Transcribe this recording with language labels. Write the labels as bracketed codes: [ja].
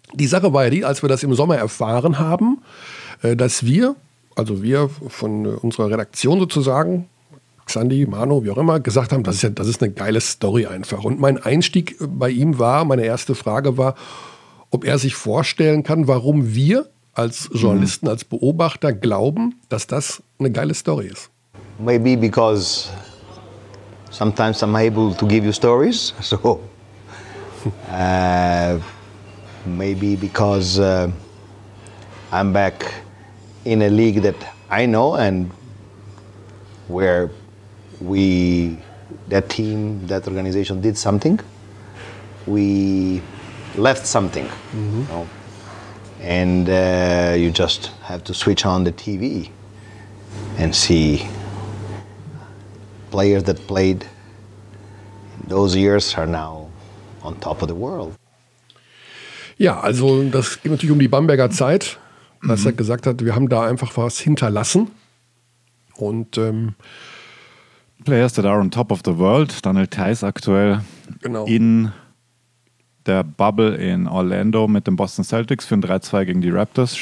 [de] Die Sache war ja die, als wir das im Sommer erfahren haben, dass wir, also wir von unserer Redaktion sozusagen, Xandi, Manu, wie auch immer, gesagt haben, das ist eine geile Story einfach. Und mein Einstieg bei ihm war, meine erste Frage war, ob er sich vorstellen kann, warum wir als Journalisten, als Beobachter glauben, dass das eine geile Story ist. [en] Maybe because sometimes I'm able to give you stories, so maybe because I'm back in a league that I know and where we, that team, that organization did something, we left something, you know? And you just have to switch on the TV and see players that played in those years are now on top of the world. [de] Ja, also das geht natürlich um die Bamberger Zeit, was er gesagt hat, wir haben da einfach was hinterlassen. Und [en] Players that are on top of the world, Daniel Theis aktuell [de] genau. In der Bubble in Orlando mit den Boston Celtics für ein 3-2 gegen die Raptors.